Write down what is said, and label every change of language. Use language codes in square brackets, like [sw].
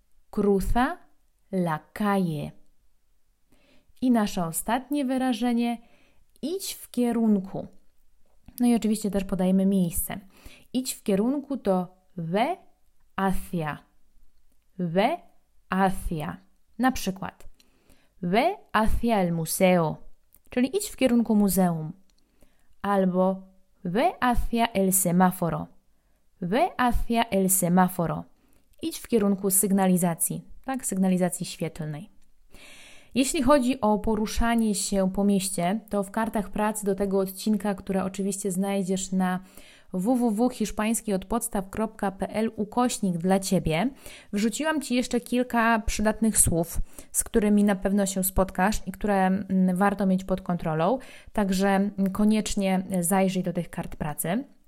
[es] Cruza la calle. [pl] I nasze ostatnie wyrażenie idź w kierunku. No i oczywiście też podajemy miejsce. Idź w kierunku to [es] ve hacia. Ve hacia. [pl] Na przykład [es] ve hacia el museo. [pl] Czyli idź w kierunku muzeum. Albo [es] ve hacia el semáforo. Ve hacia el semáforo. [pl] Idź w kierunku sygnalizacji, tak? Sygnalizacji świetlnej. Jeśli chodzi o poruszanie się po mieście, to w kartach pracy do tego odcinka, które oczywiście znajdziesz na www.hiszpańskiodpodstaw.pl/dla-ciebie, wrzuciłam Ci jeszcze kilka przydatnych słów, z którymi na pewno się spotkasz i które warto mieć pod kontrolą, także koniecznie zajrzyj do tych kart pracy.